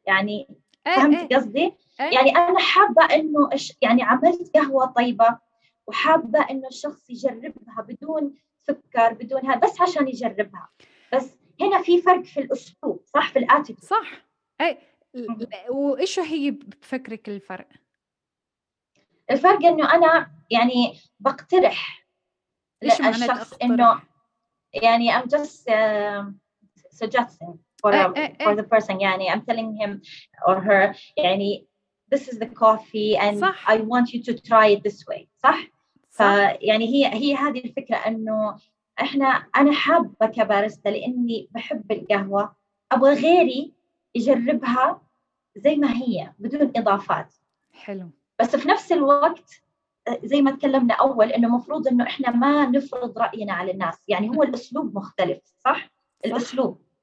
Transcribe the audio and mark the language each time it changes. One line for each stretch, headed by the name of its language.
Arabic: يعني فهمت قصدي؟ يعني أنا حابة إنه يعني عملت قهوة طيبة وحابة إنه الشخص يجربها بدون سكر بدون هذا، بس عشان يجربها. بس هنا في فرق في الأسلوب، صح، في الأتيتيود. صح. أي وإيش هي بفكرك الفرق؟ الفرق إنه أنا يعني بقترح الشخص إنه يعني
English: I'm just suggesting for the person، يعني I'm telling him or her يعني this is the coffee and صح. I want you to try it this way.
Arabic: صح؟ فيعني هي هذه الفكرة، إنه إحنا أنا حابة كباريستا لإني بحب القهوة، أبغى غيري يجربها زي ما هي بدون إضافات. حلو. بس في نفس الوقت زي ما تكلمنا أول، إنه مفروض إنه إحنا ما نفرض رأينا على الناس، يعني هو الأسلوب مختلف، صح؟ الأسلوب.